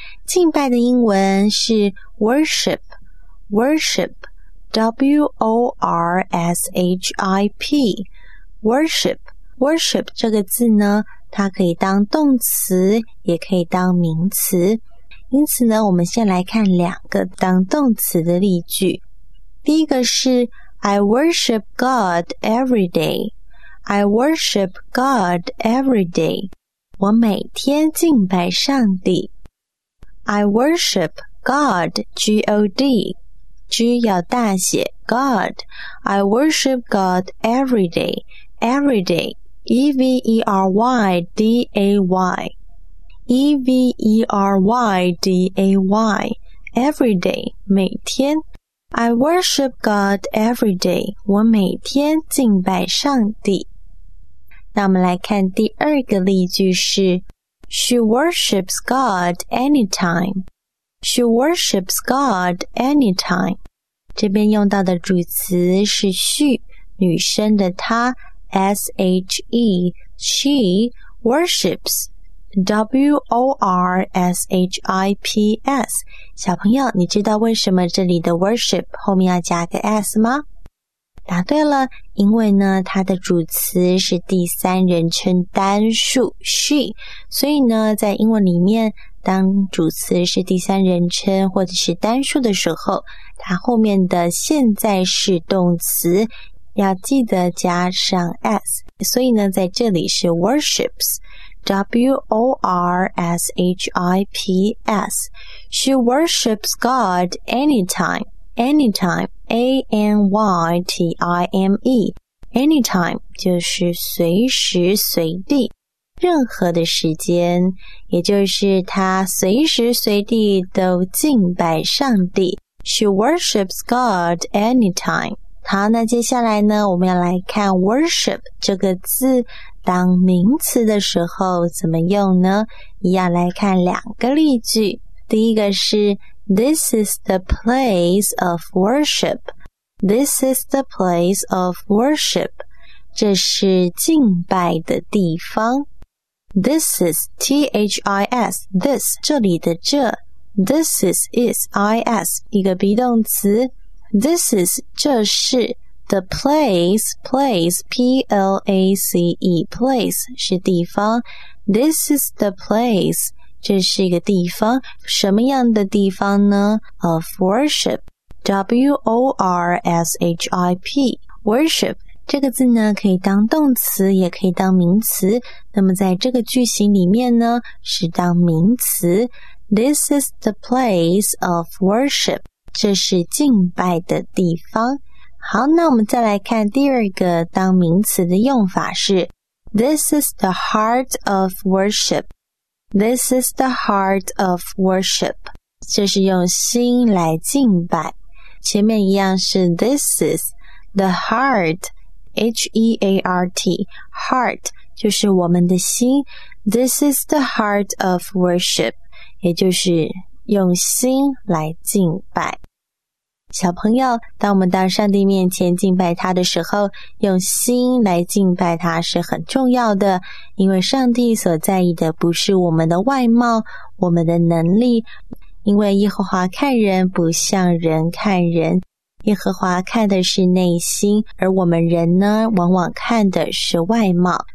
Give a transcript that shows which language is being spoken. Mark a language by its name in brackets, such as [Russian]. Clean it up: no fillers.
[Chinese] 敬拜的英文是 worship 这个字呢，它可以当动词，也可以当名词。因此呢，我们先来看两个当动词的例句。第一个是 [English] I worship God every day. I worship God every day. [Chinese] 我每天敬拜上帝。 [English] I worship God, G-O-D. G [Chinese] 要大写 [English] God. I worship God every day. Every day. everyday, everyday, everyday, [Chinese] 每天。 [English] I worship God every day, [Chinese] 我每天敬拜上帝。那我们来看第二个例句是 [English] She worships God anytime. She worships God anytime. [Chinese] 这边用到的主词是 she, 女生的她 ,she, [English] she worships, [Chinese] w-o-r-s-h-i-p-s. 小朋友你知道为什么这里的 worship 后面要加个 s 吗？答对了，因为呢它的主词是第三人称单数 she, 所以呢在英文里面当主词是第三人称或者是单数的时候，它后面的现在式动词要记得加上 s, 所以呢在这里是 worships, w-o-r-s-h-i-p-s, [English] she worships God anytime,Anytime, [Chinese] A-N-Y-T-I-M-E, Anytime, 就是随时随地，任何的时间，也就是他随时随地都敬拜上帝。 [English] She worships God anytime. [Chinese] 好，那接下来呢，我们要来看 worship 这个字，当名词的时候怎么用呢？一样来看两个例句。第一个是 [English] This is the place of worship. This is the place of worship. [Chinese] 这是敬拜的地方。 [English] This is, T-H-I-S, this, [Chinese] 这里的这。 [English] This is, I-S, 一个 be 动词。 This is, 这是 the place, place, P-L-A-C-E, place, 是地方。 This is the place. [Chinese] 这是一个地方，什么样的地方呢 ?of worship, w-o-r-s-h-i-p, worship, 这个字呢可以当动词也可以当名词，那么在这个句型里面呢是当名词 , [English] this is the place of worship, [Chinese] 这是敬拜的地方。好，那我们再来看第二个当名词的用法是 [English] ,this is the heart of worship,This is the heart of worship. [Chinese] 这是用心来敬拜。前面一样是 this is the heart, H-E-A-R-T, heart, 就是我们的心。 [English] This is the heart of worship, [Chinese] 也就是用心来敬拜。小朋友，当我们到上帝面前敬拜他的时候，用心来敬拜他是很重要的，因为上帝所在意的不是我们的外貌，我们的能力，因为耶和华看人不像人看人，耶和华看的是内心，而我们人呢，往往看的是外貌。